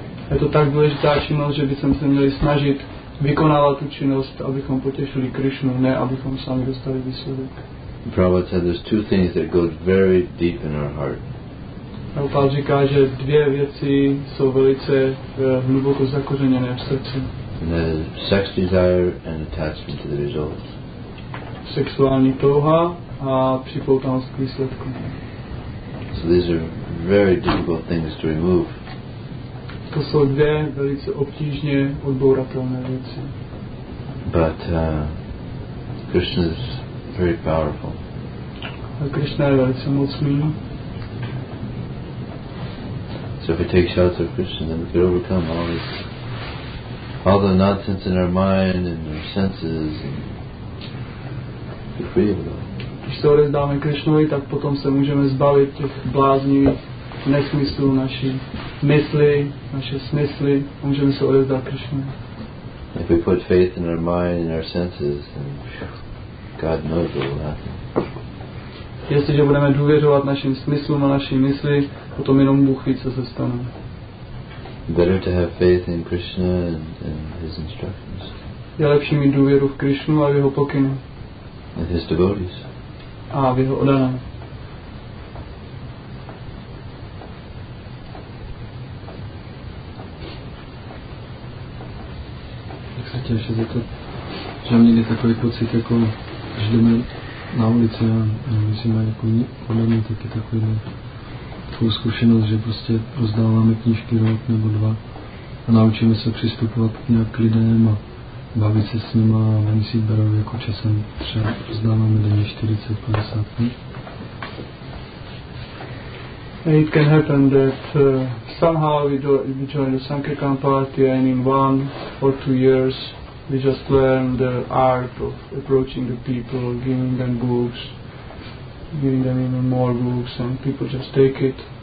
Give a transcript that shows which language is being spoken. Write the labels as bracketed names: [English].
[Czech] Je to tak důležitá činnost, že bychom se měli snažit vykonávat tu činnost, abychom potěšili Krishnu, ne abychom sami dostali výsledek. [English] Prabhupada said there's two things that go very deep in our heart. [Czech] Prabhupada říká, že dvě věci jsou velice hluboko zakořeněné v srdci. [English] Sex desire and attachment to the result. [Czech] Sexuální touha a připoutanost k výsledku. [English] So these are very difficult things to remove. [Czech] To jsou dvě velice obtížně odbouratelné věci. [English] But Krishna is very powerful. [Czech] A Krishna je velice mocný. [English] So if we take shelter of Krishna, then we can overcome all this, all the nonsense in our mind and our senses, and be free of it all. [Czech] Když se odevzdáme Krishnovi, tak potom se můžeme zbavit těch bláznivých nesmyslů naší mysli, naše smysly, můžeme se odevzdat Krishnovi. [English] If we put faith in our mind and our senses, then God knows what will happen. [Czech] Jestliže budeme důvěřovat našim smyslům a naší mysli, potom jenom Bůh ví, co se stane. [English] Better to have faith in Krishna and his instructions. [Czech] Je lepší mít důvěru v Krishnu a v jeho pokynu. [English] And his devotees. [Czech] A v jeho odané. Tak se těším za to, že mám někdy takový pocit, jako když jdeme na ulici a myslíme, jako podobně taky takový ne. Takovou zkušenost, že prostě rozdáváme knížky rok nebo dva a naučíme se přistupovat nějak k lidem a bavit se s nima a oni si berou jako časem třeba rozdáváme denně 40-50. [English] It can happen that somehow we join the Sankirtan party and in 1 or 2 years we just learn the art of approaching the people, giving them books, giving them even more books, and people just take it.